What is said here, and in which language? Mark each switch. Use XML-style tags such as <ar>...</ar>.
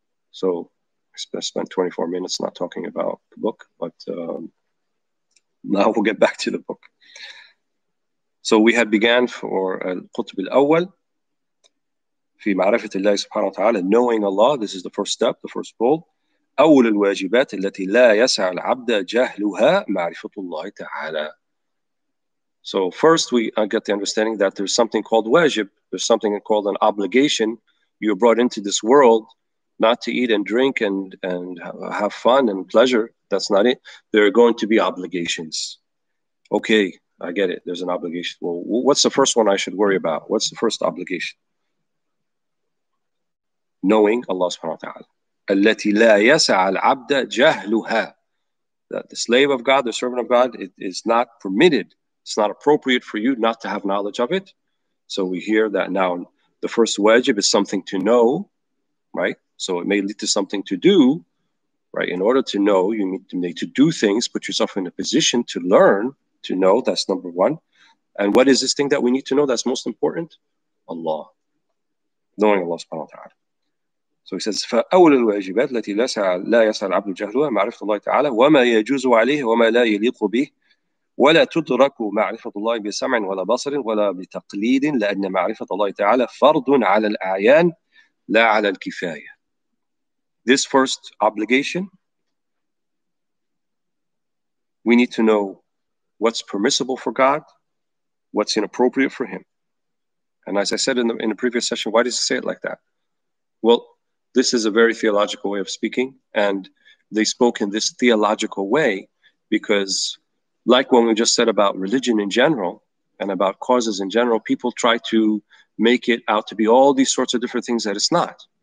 <en>So I spent 24 minutes not talking about the book, but now we'll get back to the book. So we had began for</en> <ar>القطب الأول في معرفة الله سبحانه وتعالى,</ar> <en>knowing Allah. This is the first step, the first goal.</en> <ar>أول الواجبات التي لا يسع العبد جهلها معرفة الله تعالى.</ar> <en>So first we get the understanding that there's something called wajib. There's something called an obligation. You're brought into this world not to eat and drink and have fun and pleasure. That's not it. There are going to be obligations. Okay, I get it. There's an obligation. Well, what's the first one I should worry about? What's the first obligation? Knowing Allah subhanahu wa ta'ala.</en> <ar>التي لا يسع العبد جهلها.</ar> <en>That the slave of God, the servant of God, it is not permitted. It's not appropriate for you not to have knowledge of it. So we hear that now the first wajib is something to know, right? So it may lead to something to do, right? In order to know, you need to do things, put yourself in a position to learn, to know. That's number one. And what is this thing that we need to know that's most important? Allah. Knowing Allah subhanahu wa ta'ala. So he says,</en> <ar>فَأَوْلَ الْوَاجِبَاتِ الَّتِي لَا يَسَعَ الْعَبْدُ جَهْلُهَا مَعْرِفَةُ اللَّهِ تَعَالَى وَمَا يَجُوزُ عَلَيْهِ وَمَا لَا يَلِيقُ بِهِ ولا تدرك معرفة الله بسمع ولا بصر ولا بتقليد لأن معرفة الله تعالى فرض على الأعيان لا على الكفاية.</ar> <en>This first obligation, we need to know what's permissible for God, what's inappropriate for Him. And as I said in the previous session, why does he say it like that? Well, this is a very theological way of speaking, and they spoke in this theological way because, like when we just said about religion in general and about causes in general, people try to make it out to be all these sorts of different things that it's not.</en>